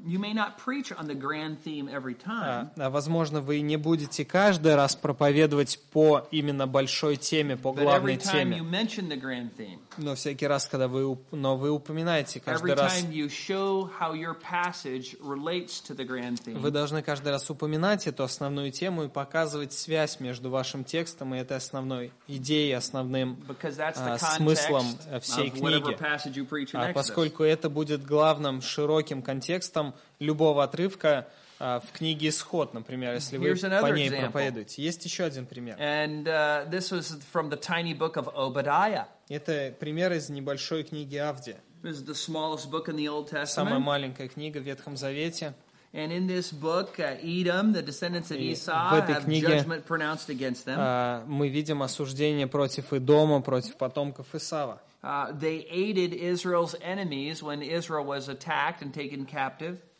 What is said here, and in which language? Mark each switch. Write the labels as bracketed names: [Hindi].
[English] You may not preach on the grand theme every time. [Russian] Возможно, вы не будете каждый раз проповедовать по именно большой теме, по главной [English] but every time [Russian] теме. [English] You mention the grand theme, [Russian] но всякий раз, когда вы, но вы упоминаете каждый [English] every time [Russian] раз, [English] you show how your passage relates to the grand theme, [Russian] вы должны каждый раз упоминать эту основную тему и показывать связь между вашим текстом и этой основной идеей, основным смыслом всей книги, поскольку это будет главным широким контекстом любого отрывка в книге «Исход», например, если вы по ней проповедуете. Есть еще один пример. [English] This was from the tiny book of Obadiah. [Russian] Это пример из небольшой книги Авдия. [English] It was the smallest book in the Old Testament. [Russian] Самая маленькая книга в Ветхом Завете. [English] And in this book, Edom, the descendants of Esau, have judgment pronounced against them. [Russian] Мы видим осуждение против Эдома, против потомков Исава. [English] They aided Israel's enemies when Israel was attacked and taken captive.